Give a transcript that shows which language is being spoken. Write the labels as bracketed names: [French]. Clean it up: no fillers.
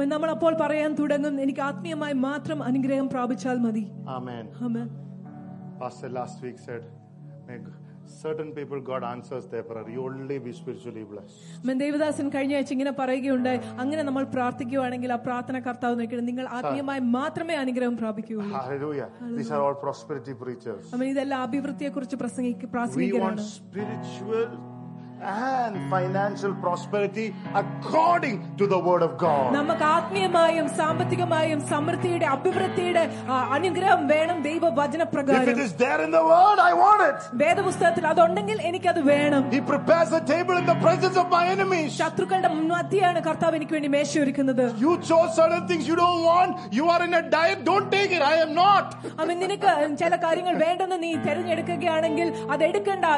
[Malayalam] നമ്മൾ അപ്പോൾ പറയാൻ തുടങ്ങും, എനിക്ക് ആത്മീയമായി മാത്രം അനുഗ്രഹം പ്രാപിച്ചാൽ മതി. [English] Amen. Amen. Pastor last week said, certain people God answers their prayer, you only be spiritually blessed. [Malayalam] മൻ ദേവദാസൻ കഴിഞ്ഞ ആഴ്ച ഇങ്ങനെ പറയുകയുണ്ടായി, അങ്ങനെ നമ്മൾ പ്രാർത്ഥിക്കുകയാണെങ്കിൽ ആ പ്രാർത്ഥന കർത്താവ് നോക്കിയിട്ട് നിങ്ങൾ ആത്മീയമായി മാത്രമേ അനുഗ്രഹം പ്രാപിക്കുകയുള്ളൂ. [English] Hallelujah. These are all prosperity preachers. [Malayalam] അമ്മ ഇതെല്ലാം അഭിവൃദ്ധിയെക്കുറിച്ച് പ്രസംഗിക്കുകയാണ്. [English] We want spiritual and financial prosperity according to the word of God. [Malayalam] നമുക്ക് ആത്മീയമായും സാമ്പത്തികമായും സമൃദ്ധിയുടെ അഭിവൃദ്ധിയുടെ അനുഗ്രഹം വേണം ദൈവവചനപ്രകാരം. [English] If it is there in the word, I want it. [Malayalam] വേദപുസ്തകത്തിൽ അതുണ്ടെങ്കിൽ എനിക്ക് അത് വേണം. [English] He prepares a table in the presence of my enemies. [Malayalam] ശത്രുക്കളുടെ മുന്നത്തിയാണ് കർത്താവ് എനിക്ക് വേണ്ടി മേശയൊരുക്കുന്നത്. [English] You chose certain things you don't want. You are in a diet. Don't take it. I am not. [Malayalam] അമ്മേ നിനക്ക് ചില കാര്യങ്ങൾ വേണ്ടെന്ന് നീ തിരഞ്ഞെടുക്കുകയാണെങ്കിൽ അത് എടുക്കണ്ട.